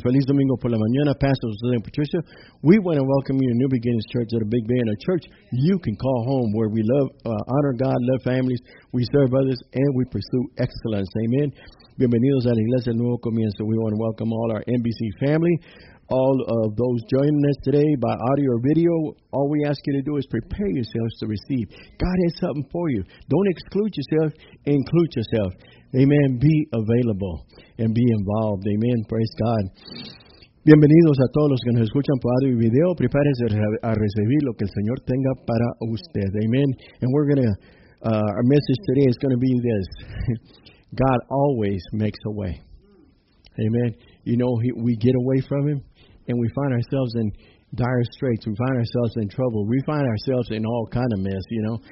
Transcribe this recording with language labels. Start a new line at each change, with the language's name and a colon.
Spanish: Feliz Domingo por la mañana, Pastor Jose and Patricia.
English: We want to welcome you to New Beginnings Church at a Big Bend, a church you can call home, where we love, honor God, love families, we serve others, and we pursue excellence. Amen.
Spanish: Bienvenidos a la Iglesia Nuevo Comienzo.
English: We want to welcome all our NBC family, all of those joining us today by audio or video. All we ask you to do is prepare yourselves to receive. God has something for you. Don't exclude yourself. Include yourself. Amen. Be available and be involved. Amen. Praise God.
Spanish: Bienvenidos a todos los que nos escuchan por audio y video. Prepárense a recibir lo que el Señor tenga para usted.
English: Amen. And we're going to, our message today is going to be this. God always makes a way. Amen. You know, we get away from Him and we find ourselves in dire straits. We find ourselves in trouble. We find ourselves in all kind of mess, you know.